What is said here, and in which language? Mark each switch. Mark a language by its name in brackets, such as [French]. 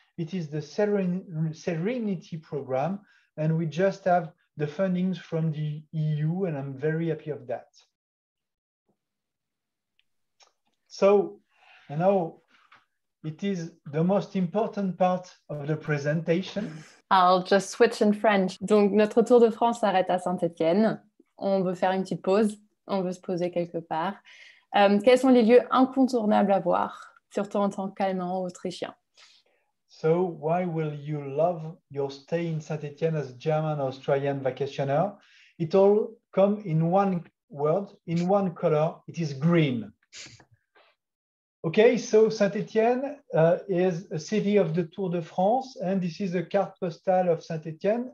[English] It is the Serenity program, and we just have the fundings from the EU, and I'm very happy of that. So, you know, it is the most important part of the presentation. I'll just switch in French. [French] Donc, notre tour de France s'arrête à Saint-Étienne. On veut faire une petite pause. On veut se poser quelque part. Quels sont les lieux incontournables à voir, surtout en tant qu'Allemand autrichien? [English] So why will you love your stay in Saint-Étienne as a German Australian vacationer? It all comes in one word, in one color, it is green. Okay, so Saint-Étienne is a city of the Tour de France, and this is a [French] carte postale [English] of Saint-Étienne.